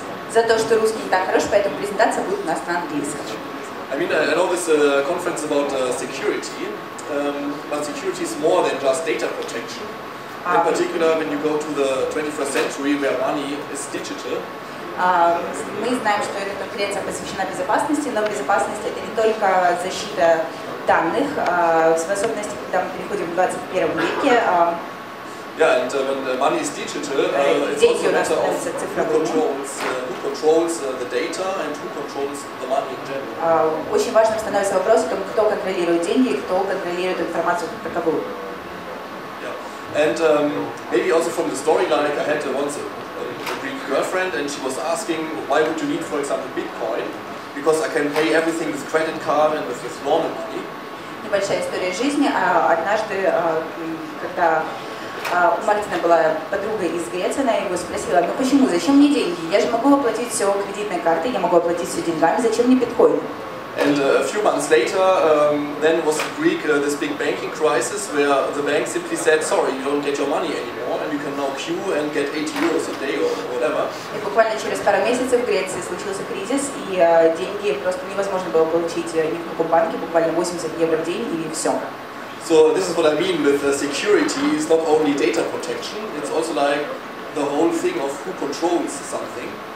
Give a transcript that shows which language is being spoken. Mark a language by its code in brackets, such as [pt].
[ru] За то, что русский не так хорош, поэтому презентация будет у нас на английском. [en] I mean, I know this conference about security, but security is more than just data protection. In particular, when you go to the 21st century, where money is digital. [ru] Мы знаем, что эта конференция посвящена безопасности, но безопасность — это не только защита данных, в особенности, когда мы переходим в 21 веке. [en] Yeah, and when the money is digital, it's also a matter of who controls the data and who controls the money in general. [ru] Очень важным становится вопрос о том, кто контролирует деньги, кто контролирует информацию как таковую. [en] Yeah, and maybe also from the story, like I had once a Greek girlfriend, and she was asking, why would you need, for example, Bitcoin? Because I can pay everything with credit card and with normal money. [ru] Небольшая история жизни. Однажды, когда у Мартина была подруга из Греции, она его спросила, ну почему, зачем мне деньги? Я же могу оплатить все кредитной картой, я могу оплатить все деньгами, зачем мне биткоин? [en] And a few months later, then was in Greek this big banking crisis where the bank simply said, sorry, you don't get your money anymore, and you can now queue and get 80 euros a day or whatever. [ru] И буквально через пару месяцев в Греции случился кризис, и деньги просто невозможно было получить ни в каком банке, буквально 80 евро в день, и все. [en] So this is what I mean with security. It's not only data protection, it's also like the whole thing of who controls something.